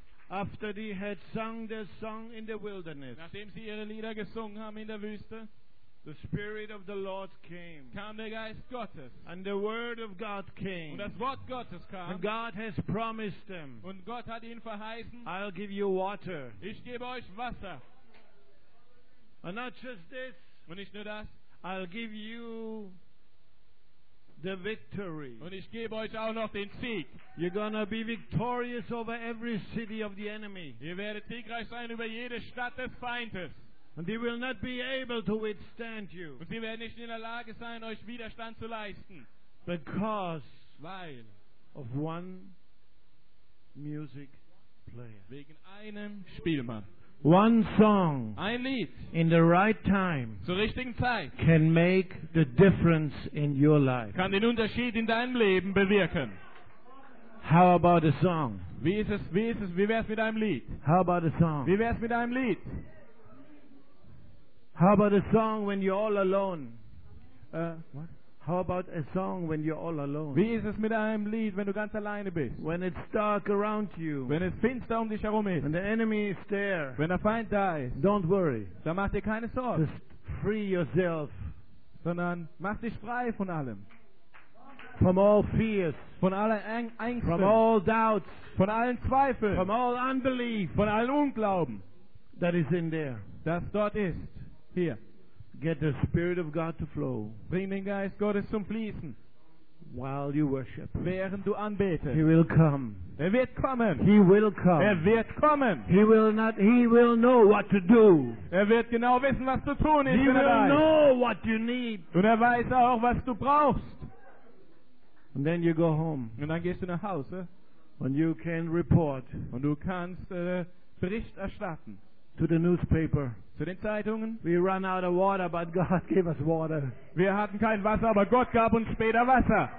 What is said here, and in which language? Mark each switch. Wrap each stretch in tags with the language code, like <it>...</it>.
<en>after they had sung their song in the wilderness,</en> <de>nachdem sie ihre Lieder gesungen haben in der Wüste,</de> <en>the Spirit of the Lord came,</en> <de>kam der Geist Gottes,</de> <en>and the Word of God came,</en> <de>und das Wort Gottes kam,</de> <en>and God has promised them,</en> <de>und Gott hat ihnen verheißen,</de> <en>I'll give you water,</en> <de>ich gebe euch Wasser.</de> <en>And not just this,</en> <de>und nicht nur das,</de> <en>I'll give you the victory.</en> <de>Und ich gebe euch auch noch den Sieg.</de> <en>You're gonna be victorious over every city of the enemy.</en> <de>Ihr werdet siegreich sein über jede Stadt des Feindes.</de> <en>And they will not be able to withstand you.</en> <de>Und sie werden nicht in der Lage sein, euch Widerstand zu leisten.</de> <en>Because</en> <de>weil</de> <en>of one music player.</en> <de>Wegen einem Spielmann.</de> <en>One song,</en> <de>ein Lied,</de> <en>in the right time,</en> <de>zur richtigen Zeit,</de> <en>can make the difference in your life.</en> <de>Kann den Unterschied in deinem Leben bewirken.</de> <en>How about a song?</en> <de>Wie wär's mit einem Lied?</de> <en>How about a song?</en> <de>Wie wär's mit einem Lied?</de> <en>How about a song when you're all alone? What? How about a song when you're all alone?</en> <de>Wie ist es mit einem Lied, wenn du ganz alleine bist?</de> <en>When it's dark around you.</en> <de>Wenn es finster um dich herum ist.</de> <en>When the enemy is there.</en> <de>Wenn der Feind da ist.</de> <en>Don't worry.</en> <de>Dann mach dir keine Sorgen.</de> <en>Just free yourself.</en> <de>Sondern mach dich frei von allem.</de> <en>From all fears.</en> <de>Von allen Ängsten.</de> <en>From all doubts.</en> <de>Von allen Zweifeln.</de> <en>From all unbelief.</en> <de>Von allen Unglauben.</de> <en>That is in there.</en> <de>Das dort ist. Hier.</de> <en>Get the Spirit of God to flow.</en> <de>Bring den Geist Gottes zum Fließen.</de> <en>While you worship.</en> <de>Während du anbetest.</de> <en>He will come.</en> <de>Er wird kommen.</de> <en>He will come.</en> <de>Er wird kommen.</de> <en>He will know what to do.</en> <de>Er wird genau wissen, was zu tun ist.</de> <en>He will know what you need.</en> <de>Und er weiß auch, was du brauchst.</de> <en>And then you go home.</en> <de>Und dann gehst du nach Hause.</de> <en>And you can report.</en> <de>Und du kannst Bericht erstatten.</de> <en>To the newspaper.</en> <de>Zu den Zeitungen.</de> <en>We ran out of water, but God gave us water.</en> <de>Wir hatten kein Wasser, aber Gott gab uns später Wasser.</de>